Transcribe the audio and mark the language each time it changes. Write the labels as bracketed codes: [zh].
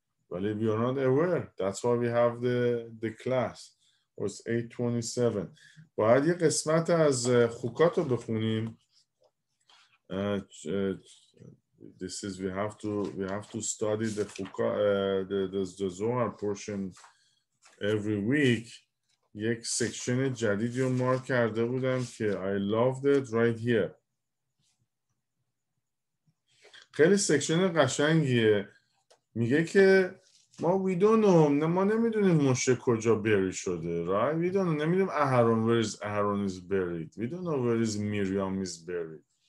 [en] But if you're not aware, that's why we have the class. It's 8:27. [fa] باید یه قسمت از خوکات رو بخونیم. [en] This is we have to study the خوکات, the Zohar portion every week. [fa] یک سیکشن جدیدی رو مارک کرده بودم که [en] I loved it right here. [fa] خیلی سیکشن قشنگیه. میگه که ما نمیدونیم موشه کجا بری شده. [en] Right? We don't know. [fa] نمیدونیم [en] Aaron is buried. We don't know where is Miriam is buried.